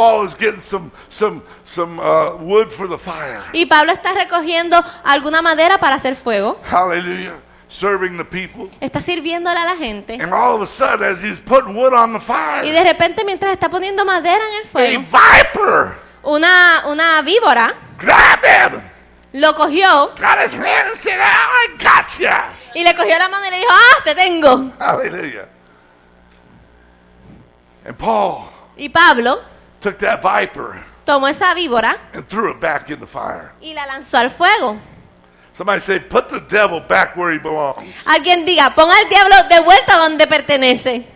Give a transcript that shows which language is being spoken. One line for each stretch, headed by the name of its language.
English: Paul is getting some wood for the fire.
Spanish: Y Pablo está recogiendo alguna madera para hacer fuego.
English: Hallelujah. Serving the people.
Spanish: Está sirviéndole a la gente.
English: And all of a sudden, as he's putting wood on the fire.
Spanish: Y de repente, mientras está poniendo madera en el fuego.
English: A viper.
Spanish: Una víbora.
English: Grab him.
Spanish: Lo cogió.
English: Got his hand and said, oh, I got you.
Spanish: Y le cogió la mano y le dijo, ah, te tengo.
English: Hallelujah. And Paul.
Spanish: Y Pablo.
English: Took that viper.
Spanish: Tomó esa víbora.
English: And threw it back in the fire.
Spanish: Y la lanzó al fuego.
English: Somebody say, put the devil back where he belongs.
Spanish: Alguien diga, pon al diablo de vuelta donde pertenece.